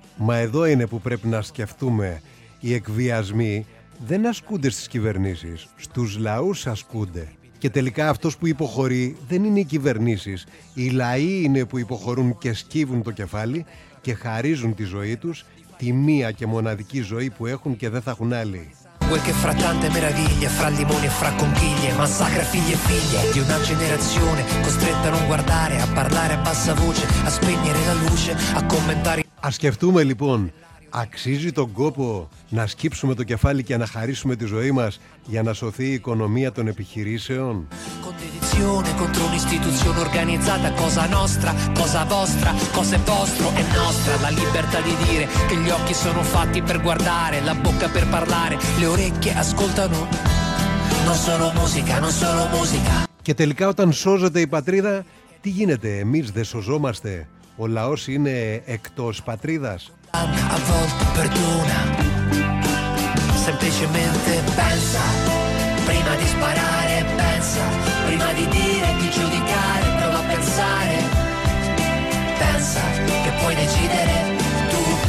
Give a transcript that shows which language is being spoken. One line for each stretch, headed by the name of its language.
Greek: Μα εδώ είναι που πρέπει να σκεφτούμε. Οι εκβιασμοί δεν ασκούνται στις κυβερνήσεις, στους λαούς ασκούνται. Και τελικά αυτός που υποχωρεί δεν είναι οι κυβερνήσεις. Οι λαοί είναι που υποχωρούν και σκύβουν το κεφάλι και χαρίζουν τη ζωή τους, τη μία και μοναδική ζωή που έχουν και δεν θα έχουν άλλη.
Italian: Quel che fra tante meraviglie, fra limoni e fra conchiglie, massacra figli e figlie di una generazione costretta a non guardare, a parlare a bassa voce, a spegnere la luce, a commentare.
Greek: Ας σκεφτούμε λοιπόν, αξίζει τον κόπο να σκύψουμε το κεφάλι και να χαρίσουμε τη ζωή μας για να σωθεί η οικονομία των επιχειρήσεων?
Italian: Contro un'istituzione organizzata, cosa nostra, cosa vostra, cosa è vostro è nostra, la libertà di dire che gli occhi sono fatti per guardare, la bocca per parlare, le orecchie ascoltano, non solo musica, non solo musica.
Greek: Και τελικά όταν σώζεται η πατρίδα, τι γίνεται? Εμείς δεν σωζόμαστε? Ο λαός είναι εκτός πατρίδας?
Italian: A volte perdona, semplicemente pensa, prima di sparare pensa. Prima di dire, di giudicare, prova a pensare. Pensa che puoi decidere tu.